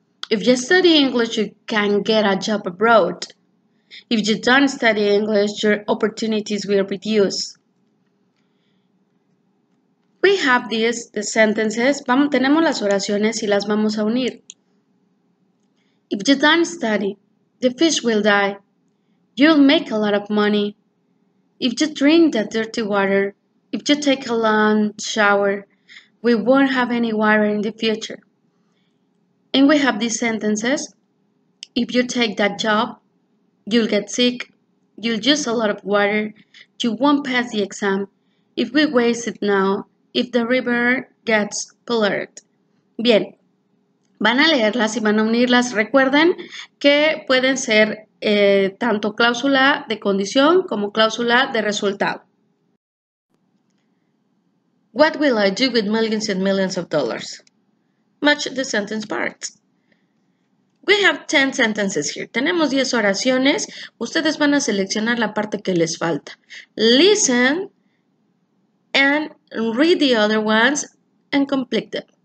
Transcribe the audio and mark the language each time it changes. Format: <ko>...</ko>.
<en>If you study English, you can get a job abroad. If you don't study English, your opportunities will reduce. We have these the sentences.</en> <es>Tenemos las oraciones y las vamos a unir.</es> <en>If you don't study, the fish will die. You'll make a lot of money. If you drink that dirty water, if you take a long shower, we won't have any water in the future. And we have these sentences. If you take that job, you'll get sick. You'll use a lot of water. You won't pass the exam. If we waste it now, if the river gets polluted. Bien,</en> <es>Van a leerlas y van a unirlas. Recuerden que pueden ser tanto cláusula de condición como cláusula de resultado.</es> <en>What will I do with millions and millions of dollars? Match the sentence parts. We have 10 sentences here.</en> <es>Tenemos 10 oraciones. Ustedes van a seleccionar la parte que les falta.</es> <en>Listen and read the other ones and complete them.</en>